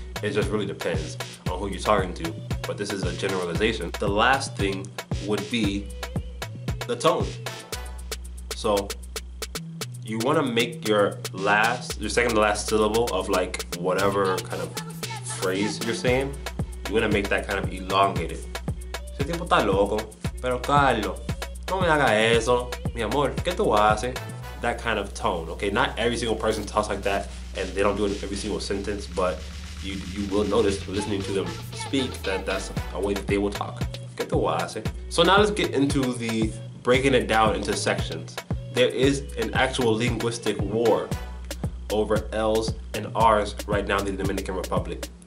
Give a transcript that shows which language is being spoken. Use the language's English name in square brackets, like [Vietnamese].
[English] It just really depends on who you're talking to, but this is a generalization. The last thing would be the tone. So you wanna make your second to last syllable of like whatever kind of phrase you're saying, you wanna make that kind of elongated. [Spanish] Ese tipo está loco, pero Carlos, no me haga eso. Mi amor, ¿qué tú haces? [English] That kind of tone, okay? Not every single person talks like that and they don't do it in every single sentence, but you will notice listening to them speak that that's a way that they will talk. Get the wise. So now let's get into the breaking it down into sections. There is an actual linguistic war over L's and R's right now in the Dominican Republic.